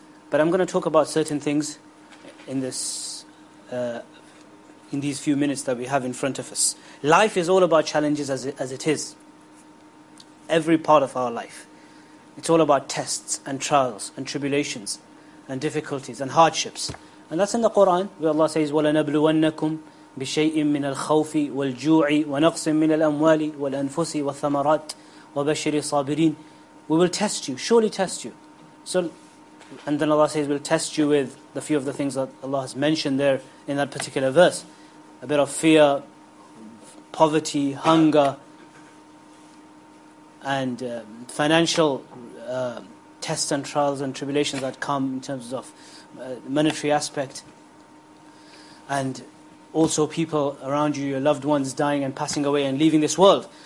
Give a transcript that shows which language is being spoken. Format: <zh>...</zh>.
<en>But I'm going to talk about certain things in these few minutes that we have in front of us. Life is all about challenges as it is. Every part of our life. It's all about tests and trials and tribulations and difficulties and hardships. And that's in the Quran, where Allah says,</en> <ar>وَلَنَبْلُوَنَّكُمْ بِشَيْءٍ مِّنَ الْخَوْفِ وَالْجُوعِ وَنَقْصٍ مِّنَ الْأَمْوَالِ وَالْأَنفُسِ وَالثَّمَرَاتِ وَبَشِّرِ الصَّابِرِينَ.</ar> <en>We will test you, surely test you. So, and then Allah says, we'll test you with the few of the things that Allah has mentioned there in that particular verse. A bit of fear, poverty, hunger, and financial tests and trials and tribulations that come in terms of monetary aspect, and also people around you, your loved ones dying and passing away and leaving this world.</en>